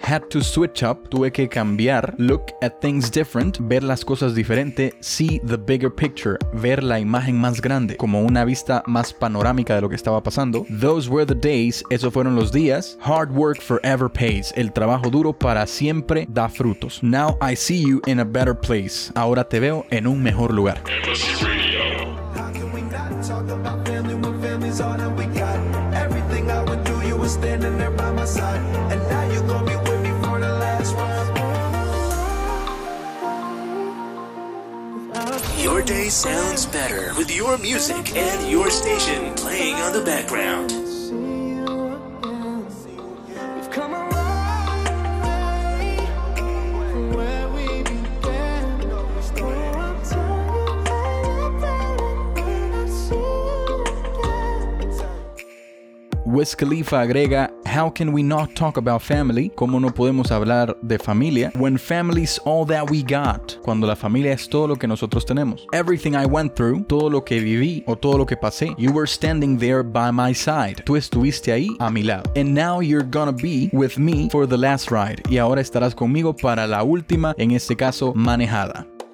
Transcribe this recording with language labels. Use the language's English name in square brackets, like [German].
[English] Had to switch up, [Spanish] tuve que cambiar, [English] look at things different, [Spanish] ver las cosas diferente, [English] see the bigger picture, [Spanish] ver la imagen más grande, como una vista más panorámica de lo que estaba pasando. [English] Those were the days, [Spanish] esos fueron los días. [English] Hard work forever pays, [Spanish] el trabajo duro para siempre da frutos. [English] Now I see you in a better place, [Spanish] ahora te veo en un mejor lugar. [English] How can we not talk about family when family's all that we got? Everything I would do, you were standing there by my side, and now you're gonna be with me for the last one. Your day sounds better with your music and your station playing on the background. Wow. [Spanish] Wiz Khalifa agrega, [English] "How can we not talk about family?" [Spanish] ¿Cómo no podemos hablar de familia? [English] "When family's all that we got." [Spanish] Cuando la familia es todo lo que nosotros tenemos. [English] "Everything I went through." [Spanish] Todo lo que viví o todo lo que pasé. [English] "You were standing there by my side." [Spanish] Tú estuviste ahí a mi lado. [English] "And now you're gonna be with me for the last ride." [Spanish] Y ahora estarás conmigo para la última, en este caso, manejada.